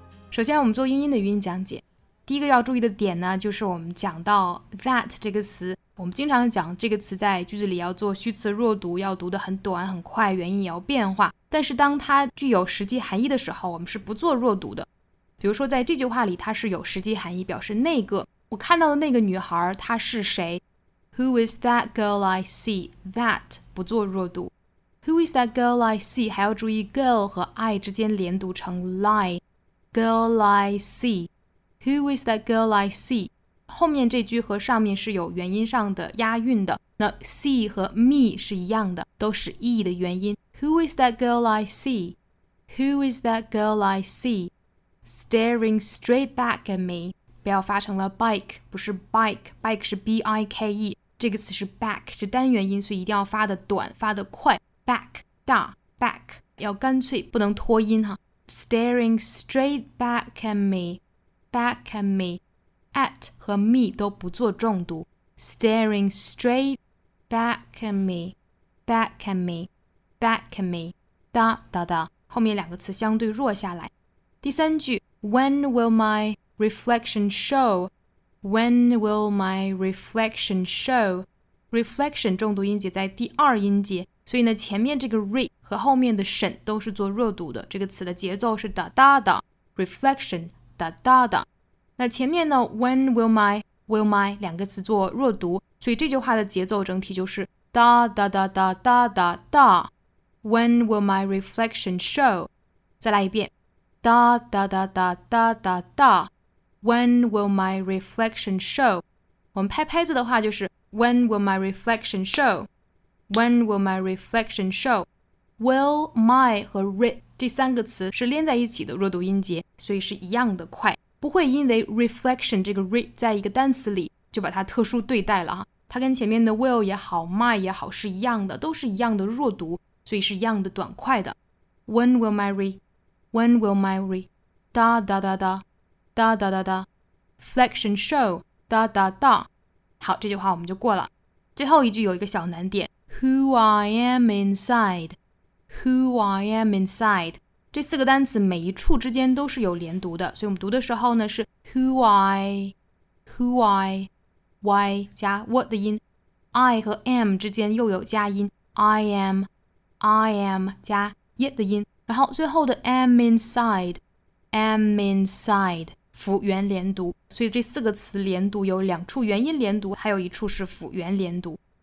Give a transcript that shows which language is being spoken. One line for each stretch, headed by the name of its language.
Chinese: 首先我们做英音的语音讲解，第一个要注意的点呢，就是我们讲到 that 这个词，我们经常讲这个词在句子里要做虚词弱读，要读得很短很快，元音也要变化，但是当它具有实际含义的时候，我们是不做弱读的。比如说在这句话里，它是有实际含义，表示那个我看到的那个女孩她是谁。
English: Who is that girl I see, that
Chinese: 不做弱读。
English: Who is that girl I see
Chinese: 还要注意 girl 和 I 之间连读成
English: lieGirl I see. Who is that girl I see?
Chinese: 后面这句和上面是有元音上的押韵的，那 see 和 me 是一样的，都是 e 的元音。
English: Who is that girl I see? Who is that girl I see? Staring straight back at me.
Chinese: 不要发成了 bike, 不是 bike. Bike 是 B-I-K-E, 这个词是 back, 是单元音，所以一定要发的短，发的快。 Back, 大 back, 要干脆，不能拖音哈。
English: Staring straight back at me, back at me.
Chinese: At 和 me 都不做重读。
English: Staring straight back at me, back at me, back at me.
Chinese: 哒哒哒，后面两个词相对弱下来。第三句
English: ,When will my reflection show? When will my reflection show?
Chinese: Reflection 重读音节在第二音节。所以呢，前面这个 re 和后面的 shen 都是做弱读的，这个词的节奏是哒哒哒 reflection 哒哒哒。那前面呢
English: when will my
Chinese: 两个词做弱读，所以这句话的节奏整体就是哒哒哒哒哒哒哒。
English: When will my reflection show?
Chinese: 再来一遍，哒哒哒哒哒哒哒。
English: When will my reflection show?
Chinese: 我们拍拍子的话就是
English: When will my reflection show? When will my reflection show?
Chinese: Will my 和 re 这三个词是连在一起的弱读音节，所以是一样的快，不会因为 reflection 这个 re 在一个单词里就把它特殊对待了哈。它跟前面的 will 也好 my 也好是一样的，都是一样的弱读，所以是一样的短快的。
English: When will my re? When will my re? Da da da da Da da da da Flection show Da da da
Chinese: 好，这句话我们就过了。最后一句有一个小难点，
English: Who I am inside, who I am inside.
Chinese: 这四个单词每一处之间都是有连读的，所以我们读的时候呢是
English: who I, who I,
Chinese: y 加 what 的音， I 和 am 之间又有加音，
English: I am, I am
Chinese: 加 yet 的音，然后最后的
English: am inside, am inside
Chinese: 辅元连读，所以这四个词连读有两处元音连读，还有一处是辅元连读。